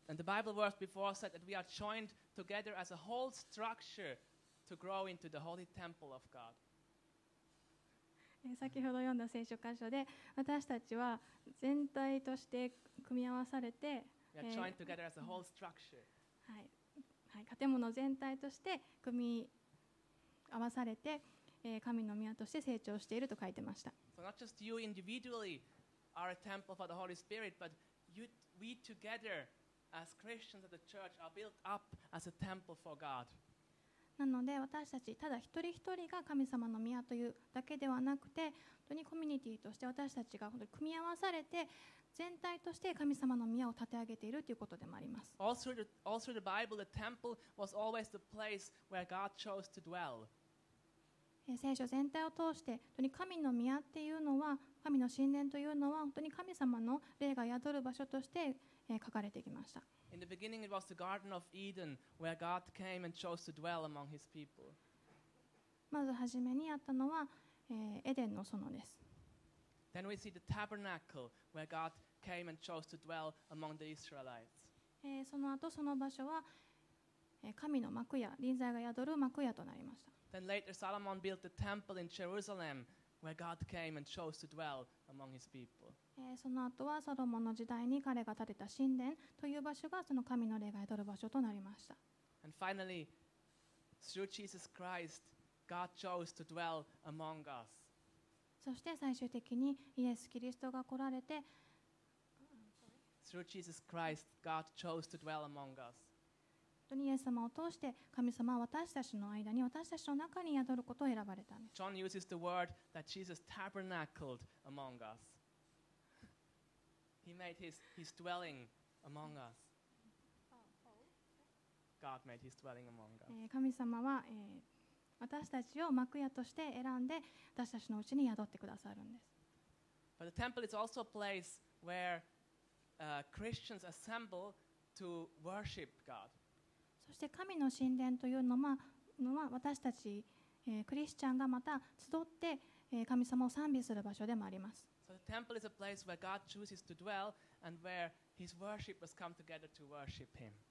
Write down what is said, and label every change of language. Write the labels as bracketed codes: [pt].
[en] And the Bible verse before said that we are joined together as a whole structure to grow into the holy temple of God. [ja] 先ほど読んだ聖書箇所で、私たちは全体として組み合わされて、 [en] We are joined together as a whole structure. [ja] はい、はい、建物全体として組み合わされて、神の宮として成長していると書いてました。 [en] So not just you individually are a temple for the Holy Spirit, but you, we together as Christians of the church are built up as a temple for God. [ja] なので私たち、ただ一人一人が神様の宮というだけではなくて、本当にコミュニティとして私たちが本当に組み合わされて、全体として神様の宮を建て上げているということでもあります。 [en] All through the Bible, the temple was always the place where God chose to dwell. [ja] 聖書全体を通して、本当に神の宮っていうのは、神の神殿というのは、本当に神様の霊が宿る場所として書かれてきました。 [en] In the beginning, it was the Garden of Eden where God came and chose to dwell among His people. [ja] まず初めにあったのは、エデンの園です。 [en] Then we see the tabernacle where God came and chose to dwell among the Israelites. [ja] その後その場所は神の幕屋、臨在が宿る幕屋となりました。 [en] Then later Solomon built the temple in Jerusalem where God came and chose to dwell among his people. [ja] その後はソロモンの時代に彼が建てた神殿という場所がその神の霊が宿る場所となりました。 [en] And finally, through Jesus Christ, God chose to dwell among us. [ja] そして最終的にイエス・キリストが来られて、 [en] Through Jesus Christ, God chose to dwell among us. [ja] イエス様を通して神様は私たちの間に私たちの中に宿ることを選ばれたんです。 [en] John uses the word that Jesus tabernacled among us. He made his dwelling among us. God made his dwelling among us. [ja] 神様は、私たちを幕屋として選んで私たちのうちに宿ってくださるんです。 [en] But the temple is also a place where Christians assemble to worship God. [ja] そして神の神殿というのは私たち、クリスチャンがまた集って、神様を賛美する場所でもあります。 [en] So the temple is a place where God chooses to dwell and where his worshipers come together to worship him.